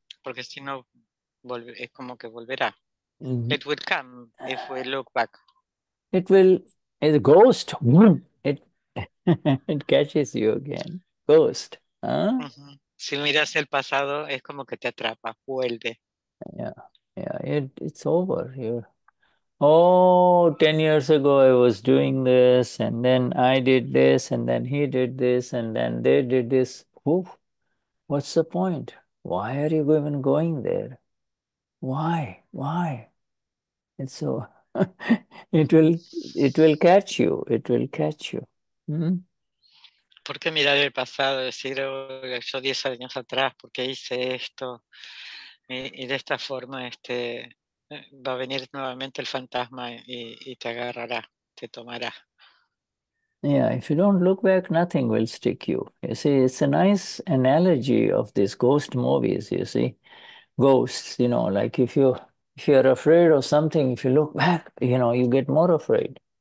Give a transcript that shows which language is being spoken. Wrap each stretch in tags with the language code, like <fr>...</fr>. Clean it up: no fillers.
<es>Porque si no, es como que volverá. Mm-hmm.</es> <en>It will come if we look back. It will, it's a ghost. It catches you again. Ghost. Huh? Uh-huh.</en> <es>Si miras el pasado, es como que te atrapa, vuelve.</es> <en>Yeah, yeah, it's over here. Oh, 10 years ago I was doing this, and then I did this, and then he did this, and then they did this. Oof. What's the point? Why are you even going there? Why? Why? And so it will catch you. It will catch you. Mm-hmm.</en> <es>¿Por qué mirar el pasado? Decir, yo 10 años atrás, ¿por qué hice esto? Y de esta forma, va a venir nuevamente el fantasma y te agarrará, te tomará.</es> <en>Yeah, if you don't look back, nothing will stick you. You see, it's a nice analogy of these ghost movies, you see. Ghosts, you know, like if you're afraid of something, if you look back, you know, you get more afraid.</en>